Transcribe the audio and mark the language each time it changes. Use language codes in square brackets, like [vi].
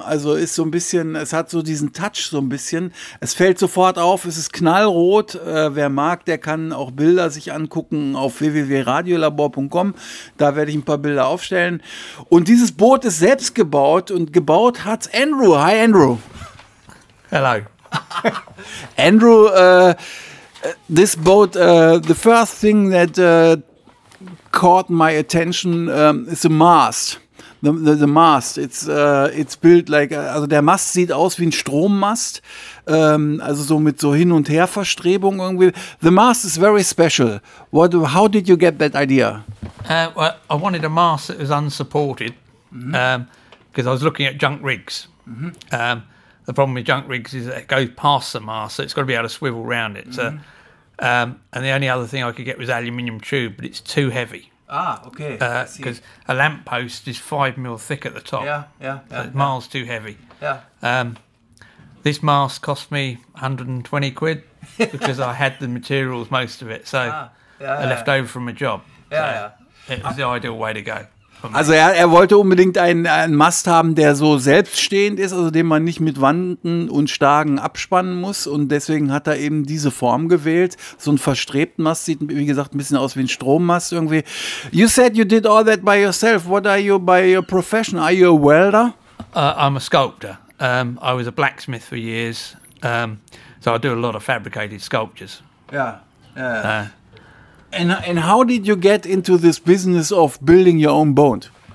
[de] Also ist so ein bisschen, es hat so diesen Touch so ein bisschen. Es fällt sofort auf, es ist knallrot. Wer mag, der kann auch Bilder sich angucken auf www.radiolabor.com. Da werde ich ein paar Bilder aufstellen. Und dieses Boot ist selbst gebaut und gebaut hat es Andrew. [en] Hi Andrew. Hello. Andrew, this boat, the first thing that caught my attention is the mast. The mast, it's built like, [de] also der Mast sieht aus wie ein Strommast, also so mit so Hin- und Herverstrebung irgendwie. [en] The mast is very special. How did you get that idea? Well, I wanted a mast that was unsupported, because I was looking at junk rigs. Mm-hmm. The problem with junk rigs is that it goes past the mast, so it's got to be able to swivel around it. Mm-hmm. So, and the only other thing I could get was aluminium tube, but it's too heavy. Ah, okay. Because a lamppost is 5 mil thick at the top. Yeah. Miles too heavy. Yeah. This mast cost me 120 quid because I had the materials, most of it, so left over from a job. Yeah. So it was the ideal way to go. [de] von mir. Also er wollte unbedingt einen Mast haben, der so selbststehend ist, also den man nicht mit Wanden und Stagen abspannen muss. Und deswegen hat er eben diese Form gewählt. So ein verstrebten Mast sieht, wie gesagt, ein bisschen aus wie ein Strommast irgendwie. [en] You said you did all that by yourself. What are you by your profession? Are you a welder? I'm a sculptor. I was a blacksmith for years. So I do a lot of fabricated sculptures. Yeah, yeah. And how did you get into this business of building your own boat?